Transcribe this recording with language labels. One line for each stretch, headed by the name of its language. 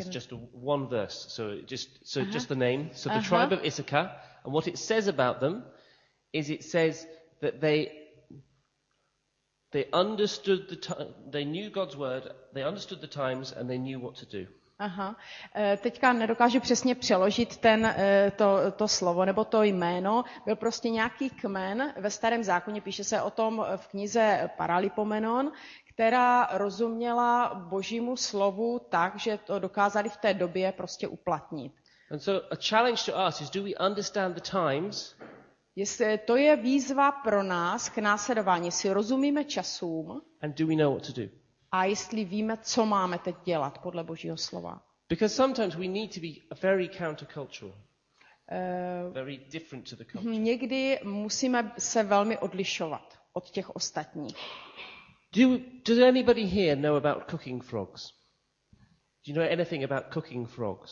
English: It's just one verse, so just the name. So the tribe of Issachar, and what it says about them is it says that they understood the time, they knew God's word, they understood the times, and they knew what to do.
Czech: Teďka nedokážu přesně přeložit to slovo nebo to jméno. Byl prostě nějaký kmen ve Starém zákoně, píše se o tom v knize Paralipomenon, která rozuměla Božímu slovu tak, že to dokázali v té době prostě uplatnit.
English: And so a challenge to us is, do we understand the times?
Czech: Jestli to je výzva pro nás k následování, jestli rozumíme časům.
English: And do we know what to do?
Czech: A jestli víme, co máme teď dělat podle Božího slova.
English: Because sometimes we need to be very countercultural. Very different to the culture.
Czech: Někdy musíme se velmi odlišovat od těch ostatních.
English: Does anybody here know about cooking frogs? Do you know anything about cooking frogs?